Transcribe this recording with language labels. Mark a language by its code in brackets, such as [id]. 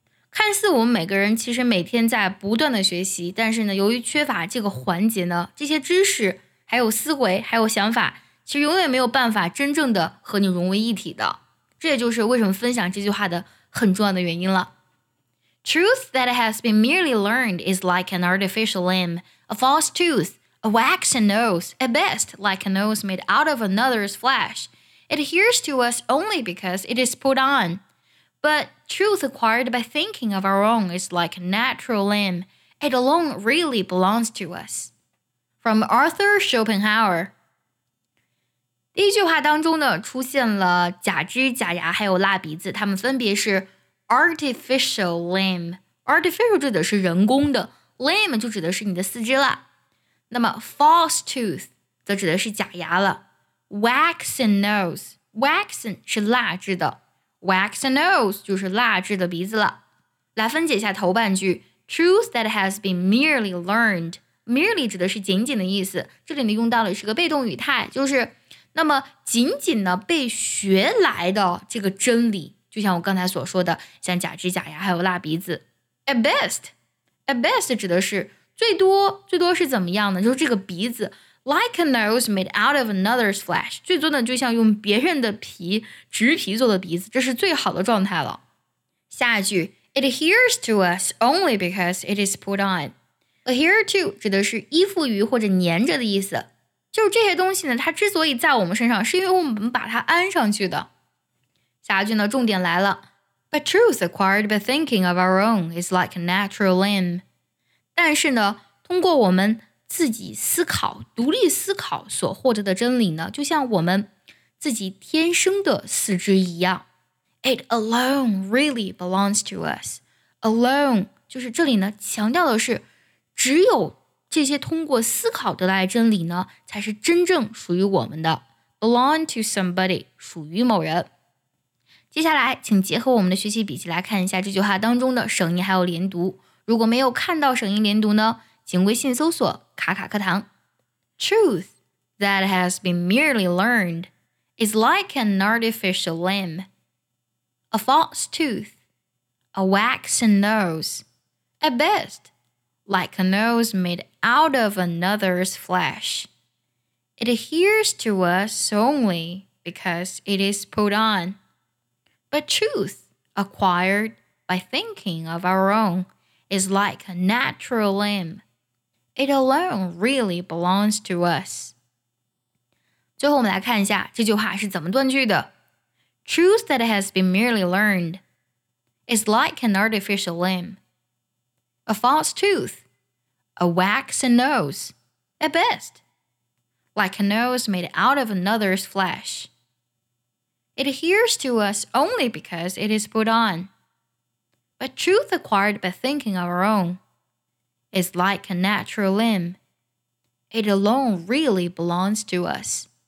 [zh] 看似我们每个人其实每天在不断的学习，但是呢由于缺乏这个环节呢，这些知识还有思维还有想法其实永远没有办法真正的和你融为一体的。这也就是为什么分享这句话的很重要的原因了。 [en] Truth that has been merely learned is like an artificial limb, a false tooth, a waxen nose, at best like a nose made out of another's flesh. It adheres to us only because it is put on. But truth acquired by thinking of our own is like a natural limb. It alone really belongs to us. From Arthur Schopenhauer. [zh] 第一句话当中呢，出现了假肢、假牙还有蜡鼻子，它们分别是 artificial limb. Artificial 指的是人工的， limb 就指的是你的四肢了。那么 false tooth 则指的是假牙了。 Waxen nose. Waxen 是蜡制的。 Waxen nose 就是蜡制的鼻子了。来分解一下头半句 ， [en] truth that has been merely learned。 [zh] merely 指的是仅仅的意思，这里呢用到的是个被动语态，就是那么仅仅呢被学来的这个真理，就像我刚才所说的，像假肢、假牙还有蜡鼻子。 At best 指的是最多，最多是怎么样呢？就是这个鼻子。 [en] Like a nose made out of another's flesh. [zh] 最多呢就像用别人的皮植皮做的鼻子，这是最好的状态了。下一句 [en] It adheres to us only because it is put on. [zh] Adhere to 指的是依附于或者粘着的意思，就是这些东西呢它之所以在我们身上是因为我们把它安上去的。下一句呢重点来了， [en] But truth acquired by thinking of our own is like a natural limb. [zh] 但是呢通过我们自己思考，独立思考所获得的真理呢，就像我们自己天生的四肢一样。 [en] It alone really belongs to us. [zh] Alone 就是这里呢，强调的是只有这些通过思考得来的真理呢，才是真正属于我们的。 Belong to somebody 属于某人。接下来，请结合我们的学习笔记来看一下这句话当中的省音还有连读。如果没有看到省音连读呢？请微信搜索卡卡课堂。 [en] Truth that has been merely learned is like an artificial limb, a false tooth, a waxen nose, at best, like a nose made out of another's flesh. It adheres to us only because it is put on. But truth acquired by thinking of our own is like a natural limb. It alone really belongs to us. [zh] 最后我们来看一下这句话是怎么断句的。 [en] Truth that has been merely learned is like an artificial limb, a false tooth, a waxen nose, at best, like a nose made out of another's flesh. It adheres to us only because it is put on. But truth acquired by thinking of our ownIs like a natural limb. It alone really belongs to us.